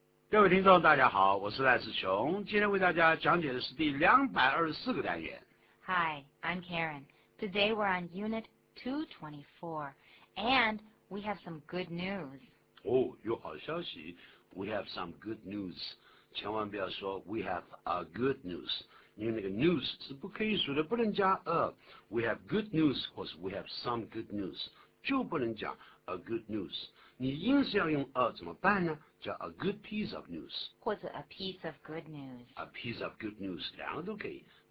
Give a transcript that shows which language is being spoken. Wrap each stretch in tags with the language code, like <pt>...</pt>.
<zh>各位听众，大家好，我是赖世雄，今天为大家讲解的是第224个单元。</zh> <en>Hi, I'm Karen. Today we're on Unit 224, and we have some good news.</en> <zh>哦，有好消息。</zh> <en>We have some good news.</en> <zh>千万不要说</zh> <en>We have a good news，</en> <zh>因为那个 news 是不可以数的，不能加 a。</zh> <en>We have good news，</en> <zh>或是</zh> <en>We have some good news，</en> <zh>就不能讲</zh> <en>a good news。</en> <zh>你硬是要用 a 怎么办呢？</zh> <en>叫 a good piece of news，或者 a piece of good news。 a piece of good news，</en> <zh>两个都可以。</zh>